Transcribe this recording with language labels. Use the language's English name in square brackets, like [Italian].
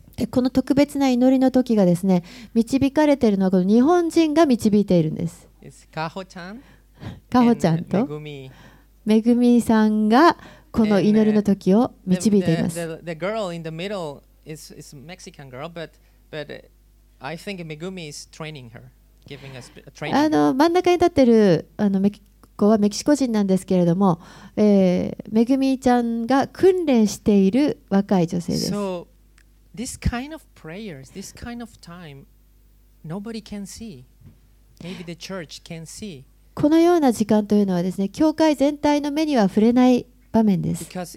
[Japanese] この特別な祈りの時がですね、導かれているのはこの日本人が導いているんです。カホちゃん、カホちゃんとめぐみさんがこの祈りの時を導いています。 [English] The girl in the middle is Mexican girl, but I think Megumi is training her, giving us a training. [Japanese] 真ん中に立ってるメキコはメキシコ人なんですけれども、めぐみちゃんが訓練している若い女性です。 [English] So this kind of prayers, this kind of time, nobody can see. Maybe the church can see. [Japanese] このような時間というのはですね、教会全体の目には触れない場面です。